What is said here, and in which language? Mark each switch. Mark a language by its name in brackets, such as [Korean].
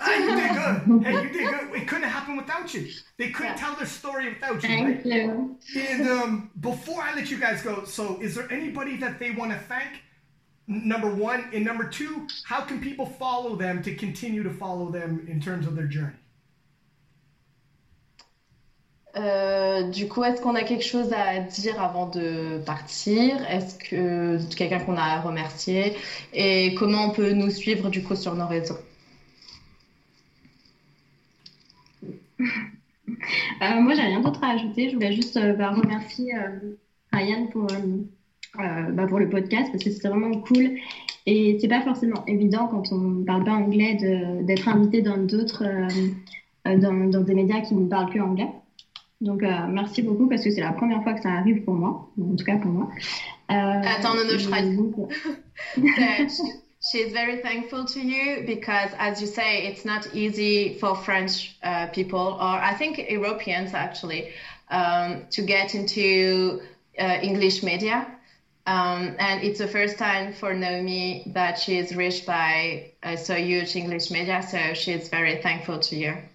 [English] Ah, you did good. Hey, you did good. It couldn't happen without you. They couldn't Yeah. tell their story without you, Thank right? you. And before I let you guys go, so is there anybody that they want to thank? Number one. And number two, how can people follow them to continue to follow them in terms of their journey? [French] Du coup, est-ce qu'on a quelque chose à dire avant de partir? Est-ce que quelqu'un qu'on a à remercier? Et comment on peut nous suivre du coup sur nos réseaux? Moi, j'ai rien d'autre à ajouter. Je voulais juste remercier Ryan pour le podcast parce que c'était vraiment cool. Et c'est pas forcément évident quand on parle pas anglais d'être invité dans dans des médias qui ne parlent plus anglais. Donc, merci beaucoup parce que c'est la première fois que ça arrive pour moi, en tout cas pour moi. Attends, non, Et donc. je traduis. [English] That she's very thankful to you because, as you say, it's not easy for French people, or I think Europeans actually, to get into English media. And it's the first time for Naomi that she's reached by so huge English media, so she's very thankful to you.